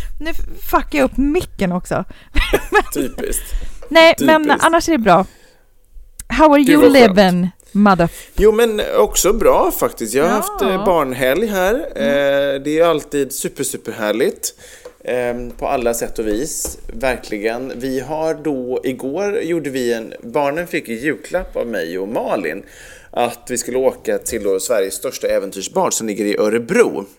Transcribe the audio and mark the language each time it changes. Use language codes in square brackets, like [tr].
[sv] Nu fuckar jag upp micken också. Typiskt. Nej, typiskt. Men annars är det bra. [en] How are you living, mother? [sv] Jo, men också bra faktiskt. Jag har haft barnhelg här. Mm. Det är alltid super, super härligt. På alla sätt och vis, verkligen. Vi har då, igår gjorde vi en, barnen fick en julklapp av mig och Malin, att vi skulle åka till Sveriges största äventyrsbar som ligger i Örebro.